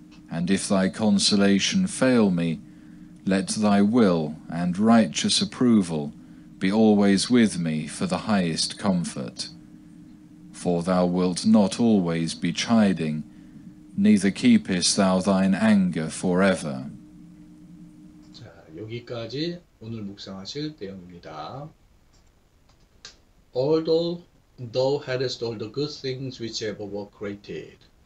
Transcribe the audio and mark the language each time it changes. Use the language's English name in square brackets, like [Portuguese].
[English] And if thy consolation fail me, let thy will and righteous approval be always with me for the highest comfort. For thou wilt not always be chiding, neither keepest thou thine anger for ever. [Korean] 자, 여기까지 오늘 묵상하실 내용입니다. [English] Although thou hadst all the good things which ever were created.